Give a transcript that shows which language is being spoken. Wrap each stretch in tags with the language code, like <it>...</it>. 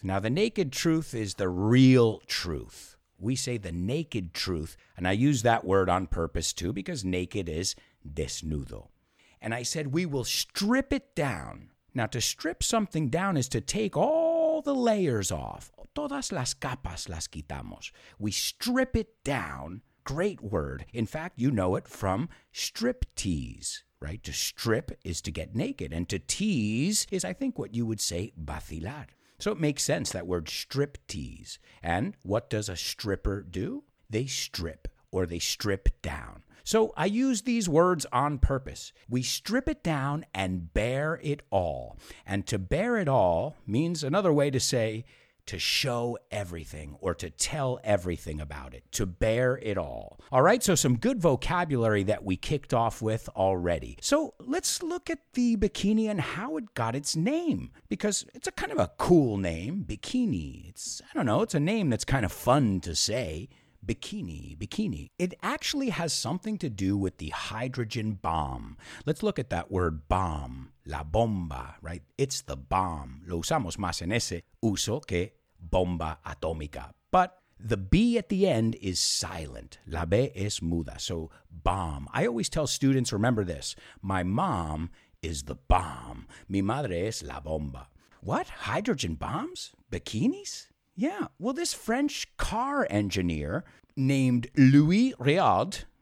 <en>Now, the naked truth is the real truth. We say the naked truth, and I use that word on purpose too, because naked is desnudo. And I said, we will strip it down. Now, to strip something down is to take all the layers off.</en> <es>Todas las capas las quitamos.</es> <en>We strip it down. Great word. In fact, you know it from striptease, right? To strip is to get naked. And to tease is, I think, what you would say, vacilar. So it makes sense, that word striptease. And what does a stripper do? They strip, or they strip down. So I use these words on purpose. We strip it down and bare it all. And to bare it all means another way to say to show everything or to tell everything about it, to bare it all. All right, so some good vocabulary that we kicked off with already. So let's look at the bikini and how it got its name, because it's a kind of a cool name, bikini. It's, I don't know, it's a name that's kind of fun to say, Bikini. It actually has something to do with the hydrogen bomb. Let's look at that word bomb,</en> <es>la bomba,</es> <en>right? It's the bomb.</en> <es>Lo usamos más en ese uso que bomba atómica.</es> <en>But the B at the end is silent.</en> <es>La B es muda.</es> <en>So bomb. I always tell students, remember this. My mom is the bomb.</en> <es>Mi madre es la bomba.</es> <en>What? Hydrogen bombs? Bikinis? Yeah. Well, this French car engineer named Louis Riard.</en>